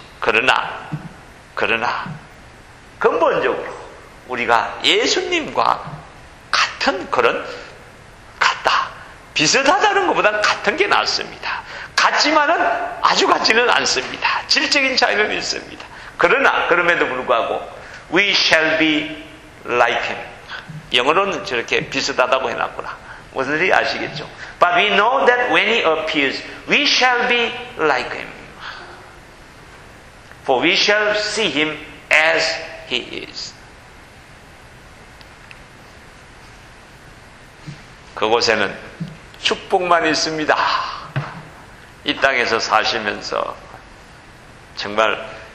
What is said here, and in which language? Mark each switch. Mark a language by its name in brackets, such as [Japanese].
[Korean] 그러나 근본적으로 우리가 예수님과 같은 그런 같다. 비슷하다는 것보다 같은 게 낫습니다. 같지만은 아주 같지는 않습니다. 질적인 차이는 있습니다. 그러나 그럼에도 불구하고 [English] We shall be like him. [Korean] 영어로는 저렇게 비슷하다고 해놨구나. 무슨 일이 아시겠죠? [English] But we know that when he appears, we shall be like him. For we shall see him as He is. [Korean] 그곳에는 축복만 있습니다. 이 땅에서 사시면서 정말